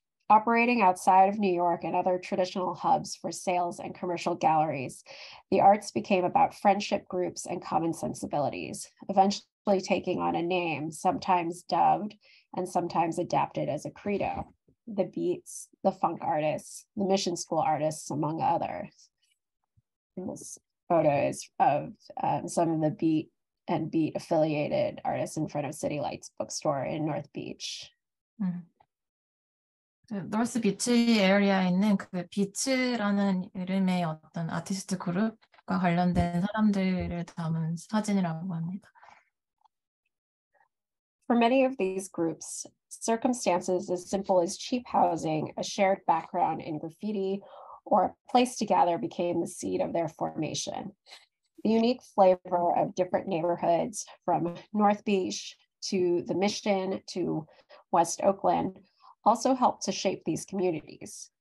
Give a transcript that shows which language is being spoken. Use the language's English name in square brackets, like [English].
[English] Operating outside of New York and other traditional hubs for sales and commercial galleries, the arts became about friendship groups and common sensibilities, eventually taking on a name, sometimes dubbed and sometimes adapted as a credo: the Beats, the Funk Artists, the Mission School Artists, among others. And this photo is of some of the Beat and Beat affiliated artists in front of City Lights bookstore in North Beach. Mm-hmm. [Korean] 노스 비치 에어리아에 있는 그 비츠라는 이름의 어떤 아티스트 그룹과 관련된 사람들을 담은 사진이라고 합니다. [English] For many of these groups, circumstances as simple as cheap housing, a shared background in graffiti, or a place to gather became the seed of their formation. The unique flavor of different neighborhoods from North Beach to the Mission to West Oakland also helped to shape these communities.